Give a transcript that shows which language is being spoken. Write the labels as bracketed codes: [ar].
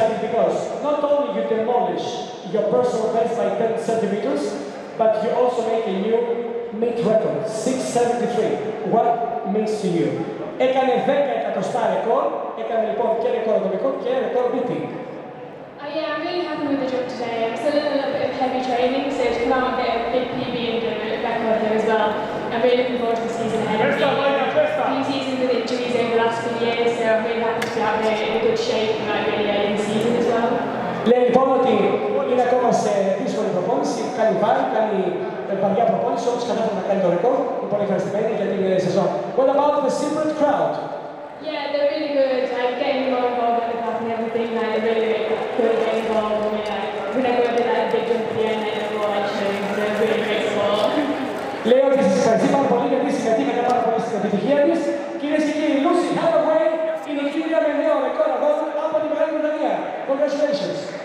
[en] because not only you demolish your personal best by 10 centimeters, but you also make a new meet record, 673. What makes to you? [el] Έκανε 10 εκατοστά ρεκόρ, έκανε λοιπόν και ρεκόρ ατομικό και ρεκόρ beating. [en] Yeah, I'm really happy with the job today. I'm still in a little bit of heavy training, so to come out and get a big PB and get a bit of record there as well. I'm really looking forward to the season ahead. A few seasons with injuries over the last few years, so I'm really happy to be out there in good shape and like really early in the season as well. [el] Λέει λοιπόν ότι είναι ακόμα σε δύσκολη προπόνηση, κάνει βάρη, κάνει βαριά προπόνηση, όπως κατάφερε να κάνει το ρεκόρ, είναι πολύ ευχαριστημένη για την σεζόν. [en] What about the Cypriot crowd? Yeah, they're really good. I'm getting more involved with the club and everything. Like, they're really, really good at getting involved. Like, whenever I did like, a big jump at the end, they're like, showing because they're really great support. [el] Λέει ότι σας ευχαριστεί πάρα πολύ για τη συγκατήκα και πάρα πολύ στην επιτυχία της. Κυρίες και κύριοι, Lucy Hathaway είναι η κύρια με νέο ρεκόρ αγώνα από τη Μεγάλη Βρετανία. Congratulations.